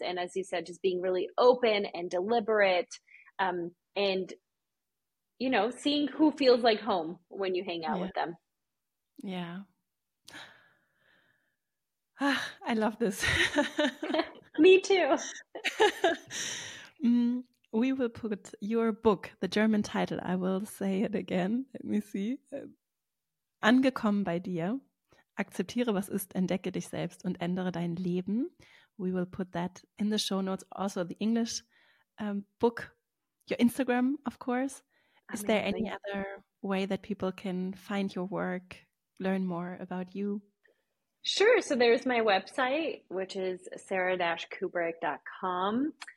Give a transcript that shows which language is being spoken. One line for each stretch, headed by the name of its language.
English: And as you said, just being really open and deliberate, and, you know, seeing who feels like home when you hang out with them. Yeah. Ah, I love this. Me too. We will put your book, the German title, I will say it again. Let me see.
German: Angekommen bei dir. Akzeptiere, was ist, entdecke dich selbst und ändere dein Leben.
English: We will put that in the show notes. Also the English book, your Instagram, of course. Amazing. Is there any other way that people can find your work, learn more about you? Sure. So there's my website, which is sarah-kubrick.com.